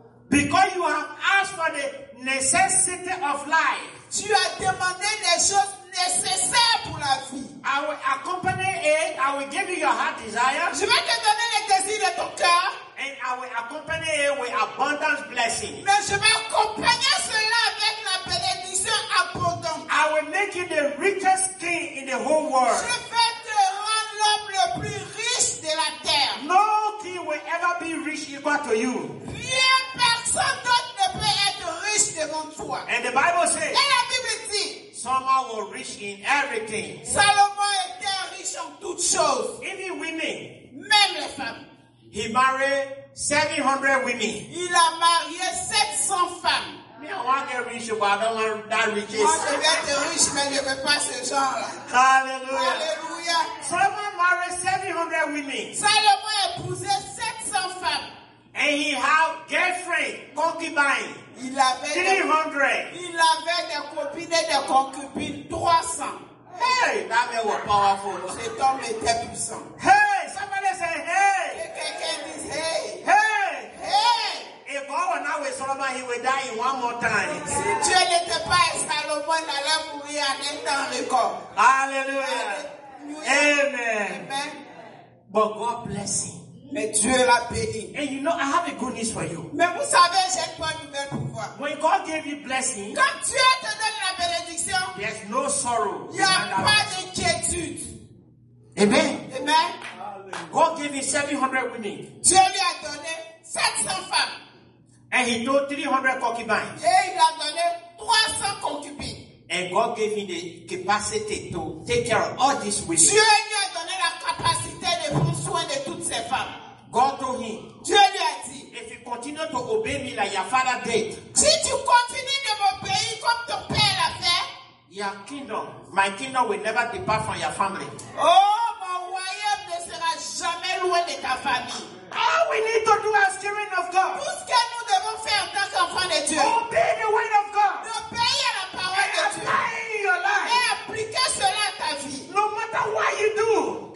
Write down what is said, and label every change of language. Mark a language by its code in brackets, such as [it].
[en] Because you have asked for the necessity of life. [fr] Tu as demandé les choses nécessaires pour la vie. [en] I will accompany it. I will give you your heart desire. [fr] Je vais te donner les désirs de ton cœur. [en] And I will accompany it with abundant blessing. [fr] Mais je vais accompagner cela avec la bénédiction abondante. [en] I will make you the richest king in the whole world. [fr] Je vais te rendre l'homme le plus riche de la terre. [en] No king will ever be rich equal to you. [fr] Rien, personne d'autre ne peut être riche devant toi. [en] And the Bible says, [fr] et la Bible dit, [en] Solomon was rich in everything. [fr] Salomon était riche en toutes choses. [en] Even women. [fr] Même les femmes. [en] He married 700 women. [fr] Il a marié 700 femmes. [en] Me, I want to get rich, but I don't want that riches. [fr] Moi, je veux être riche, mais je veux pas ce genre-là. [en] Hallelujah. Hallelujah. Solomon married 700 women. [fr] Salomon épousait 700 femmes. [en] And he had girlfriend, concubine. [fr] Il avait 300. Il avait des copines et des concubines 300. [en] Hey, that man was powerful. [fr] Cet homme était puissant. [en] Hey, somebody say hey. [fr] Quelqu'un dit hey. [en] Hey. If God were not with Solomon, he would die in one more time. [fr] Si Dieu n'était pas avec Salomon, il allait mourir en un temps record. [en] Hallelujah. Amen. Amen. But God bless him. [fr] Mais Dieu l'a béni. [en] And you know, I have a good news for you. [fr] Mais vous savez, j'ai une bonne nouvelle pour vous. [en] When God gave you blessing, [fr] quand Dieu te donne la bénédiction, [en] there's no sorrow. [fr] Il n'y a pas d'inquiétude. [en] Amen. Amen. God gave you 700 women. [fr] Dieu lui a donné 700 femmes. [en] And he took 300 concubines. [fr] Et il a donné 300 concubines. [en] And God gave him the capacity to take care of all these women. [fr] Dieu lui a donné la capacité de prendre soin de toutes ces femmes. [en] God told him, [fr] Dieu lui a dit, [en] if you continue to obey me like your father did, [fr] si tu continues de m'obéir comme ton père l'a fait, [en] your kingdom, my kingdom will never depart from your family. [fr] Oh, mon royaume ne sera jamais loin de ta famille. [en] All we need to do as children of God. [fr] Tout ce que nous devons faire en tant qu'enfants de Dieu. [en] Obey the word of God. [fr] Obéir à la parole [en] and [fr] de Dieu. [en] Apply it in your life. [fr] Et appliquer cela à ta vie. [en] No matter what you do.